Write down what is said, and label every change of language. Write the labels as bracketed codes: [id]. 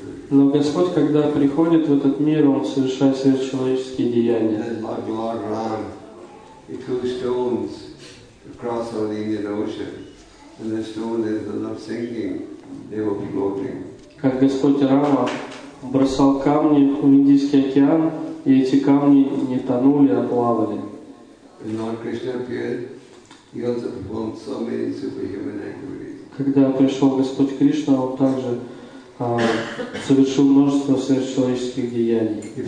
[ru] Но Господь, когда приходит в этот мир, Он совершает сверхчеловеческие деяния. [en] Lord Ram, he threw stones across over the Indian Ocean. And the stone is not sinking, they were floating. [ru] Как Господь Рама бросал камни в Индийский океан, и эти камни не тонули, а плавали. Когда пришел Господь Кришна, Он также совершил множество сверхчеловеческих деяний.